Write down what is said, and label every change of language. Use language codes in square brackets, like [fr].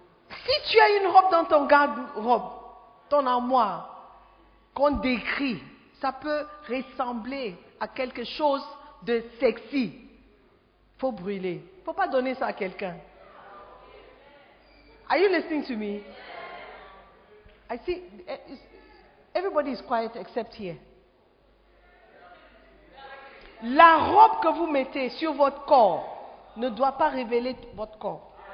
[fr] Si tu as une robe dans ton garde-robe, ton armoire, qu'on décrit, ça peut ressembler à quelque chose de sexy. Il faut brûler. Il ne faut pas donner ça à quelqu'un. [en] Are you listening to me? I see, everybody is quiet except here. [fr] La robe que vous mettez sur votre corps ne doit pas révéler votre corps.